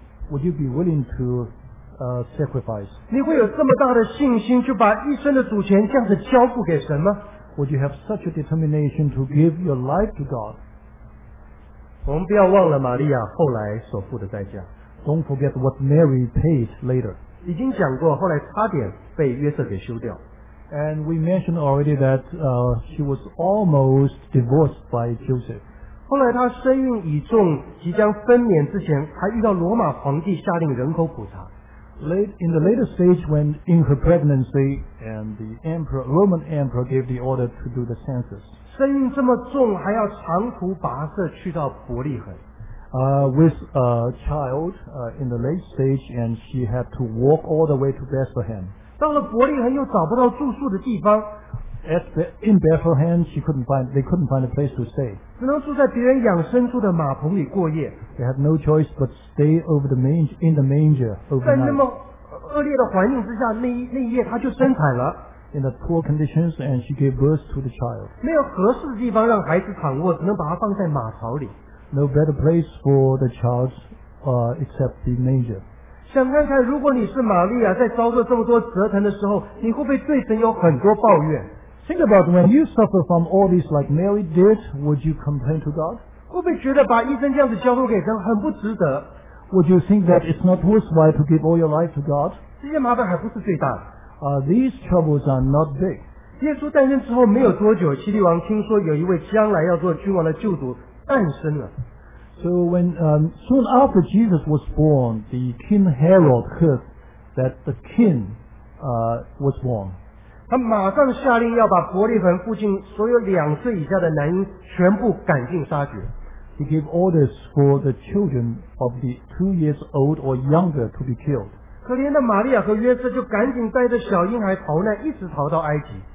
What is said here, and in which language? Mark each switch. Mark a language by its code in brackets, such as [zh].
[en] Would you be willing to sacrifice? [zh] 你会有这么大的信心就把一生的主权这样子交付给神吗？ [en] Would you have such a determination to give your life to God? [zh] 我们不要忘了玛利亚后来所付的代价。 [en] Don't forget what Mary paid later. [zh] 已经讲过，后来差点被约瑟给休掉。 [en] And we mentioned already that she was almost divorced by Joseph. [zh] 后来她身孕已重，即将分娩之前，还遇到罗马皇帝下令人口普查。 [en] Late in the later stage, when in her pregnancy, and the emperor, Roman emperor gave the order to do the census. [zh] 身孕这么重，还要长途跋涉去到伯利恒。 [en] With a child in the late stage, and she had to walk all the way to Bethlehem. [zh] 到了伯利恒又找不到住宿的地方。 [en] In Bethlehem, they couldn't find a place to stay. [zh] 只能住在别人养牲畜的马棚里过夜。 [en] They had no choice but stay over the manger in the manger overnight. [zh] 在那么恶劣的环境之下，那一夜她就生产了。 [en] In the poor conditions, and she gave birth to the child. [zh] 没有合适的地方让孩子躺卧，只能把它放在马槽里。 [en] No better place for the child except the manger. [zh] 想看看如果你是玛利亚在遭受这么多折腾的时候你会不会对神有很多抱怨。 [en] Think about when you suffer from all this like Mary did, would you complain to God? [zh] 会不会觉得把一生这样子交托给神很不值得。 [en] Would you think that it's not worthwhile to give all your life to God? [zh] 这些麻烦还不是最大的。 [en] These troubles are not big. [zh] 耶稣诞生之后没有多久希律王听说有一位将来要做君王的救主诞生了。 [en] So when soon after Jesus was born, the King Herod heard that the king was born. [zh] 他马上下令要把伯利恒附近所有两岁以下的男婴全部赶尽杀绝。 [en] He gave orders for the children of the 2 years old or younger to be killed. [zh] 可怜的玛利亚和约瑟就赶紧带着小婴孩逃难，一直逃到埃及。